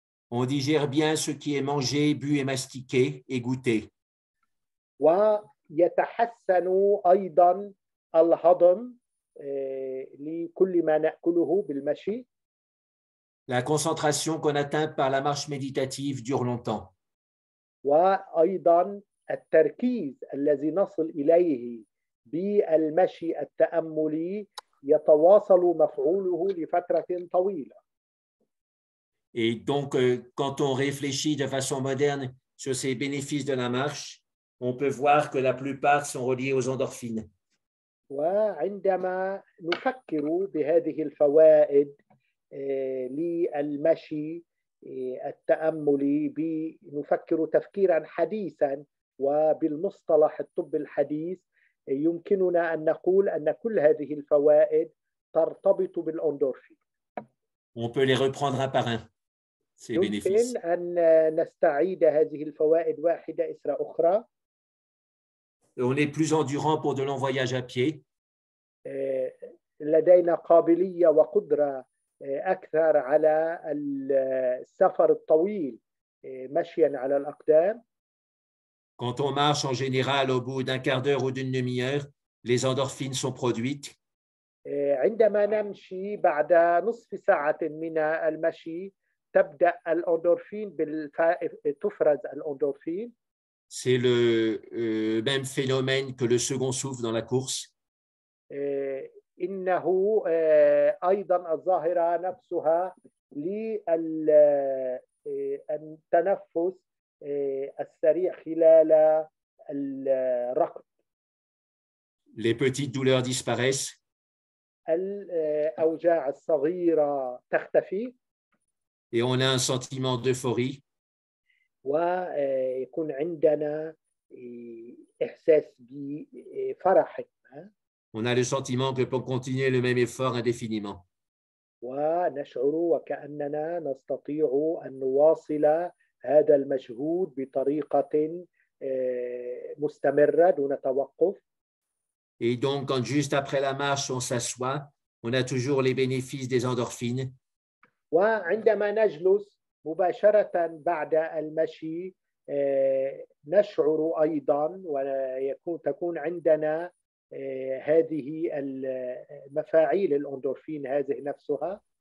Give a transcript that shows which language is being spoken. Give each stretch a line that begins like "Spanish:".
French: On digère bien ce qui est mangé, bu et mastiqué et goûté.
Arabic: ويتحسن أيضا الهضم لكل ما نأكله بالمشي.
French: La concentration qu'on atteint par la marche méditative dure longtemps.
Arabic: وأيضا التركيز الذي نصل إليه بالمشي التأملي يتواصل مفعوله لفترة طويلة.
French: Et donc, quand on réfléchit de façon moderne sur ces bénéfices de la marche, on peut voir que la plupart sont reliés aux endorphines.
Arabic: وعندما نفكر بهذه الفوائد للمشي التأملي بنفكر تفكيرا حديثا وبالمصطلح الطب الحديث يمكننا أن نقول أن كل هذه الفوائد ترتبط بالأندورفين.
French: On peut les reprendre un par un.
Arabic: يمكن أن نستعيد هذه الفوائد واحدة إثر أخرى.
French: On est plus endurant pour de longs voyages à pied.
Arabic: لدينا قابلية وقدرة أكثر على السفر الطويل مشيا على الأقدام.
French: Quand on marche en général au bout d'un quart d'heure ou d'une demi-heure, les endorphines sont produites.
Arabic: عندما نمشي بعد نصف ساعة من المشي تبدأ الأندورفين تفرز الأندورفين.
French: C'est le même phénomène que le second souffle dans la course.
Arabic: إنه أيضا الظاهرة نفسها لل التنفس السريع خلال الركض.
French: Les petites douleurs disparaissent.
Arabic: الأوجاع الصغيرة تختفي.
French: Et on a un sentiment d'euphorie.
Arabic: ويكون عندنا إحساس بفرح.
French: On a le sentiment que pour continuer le même effort indéfiniment.
Arabic: ونشعر وكأننا نستطيع أن نواصل هذا المجهود بطريقة مستمرة دون توقف.
French: Et donc, quand juste après la marche, on s'assoit, on a toujours les bénéfices des endorphines.
Arabic: وعندما نجلس مباشرة بعد المشي نشعر أيضا وتكون عندنا هذه المفاعيل الأندورفين هذه نفسها.